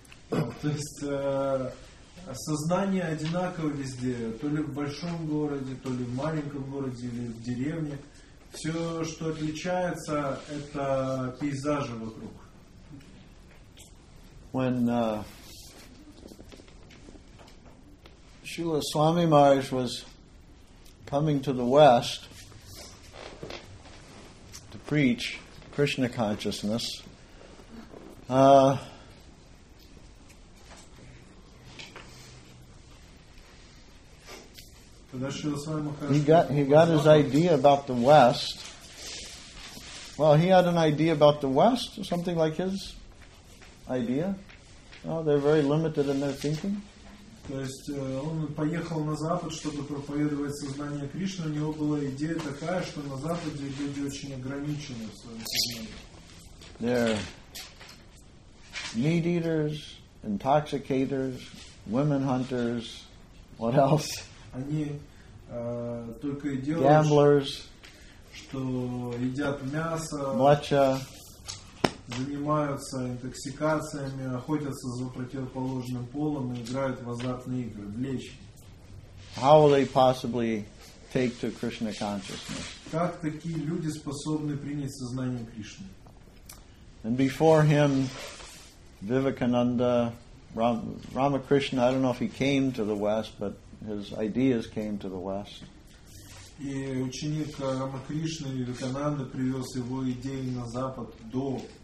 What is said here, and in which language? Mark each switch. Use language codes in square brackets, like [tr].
[ru] То есть сознание одинаково везде, то ли в большом городе, то ли в маленьком городе, или в деревне. Все, что отличается, это пейзажи вокруг. [en] When Srila Swami Maharaj was coming to the West to preach Krishna consciousness, he got his idea about the West. Well, he had an idea about the West, something like his idea. Oh, they're very limited in their thinking. [ru] То есть он поехал на Запад, чтобы проповедовать сознание Кришны. У него была идея такая, что на Западе люди очень ограничены в своем сознании. [en] They're meat eaters, intoxicators, women hunters, what else? [ru] Они только и делают, [en] gamblers, [ru] что едят мясо, мача, занимаются интоксикациями, охотятся за противоположным полом и играют в азартные игры, в лечь. [en] How will they possibly take to Krishna consciousness? [ru] Как такие люди способны принять сознание Кришны? [en] And before him, Vivekananda, Ramakrishna, I don't know if he came to the West, but his ideas came to the West. [ru] И ученик Рамакришны, Вивекананда, привез его идеи на Запад до.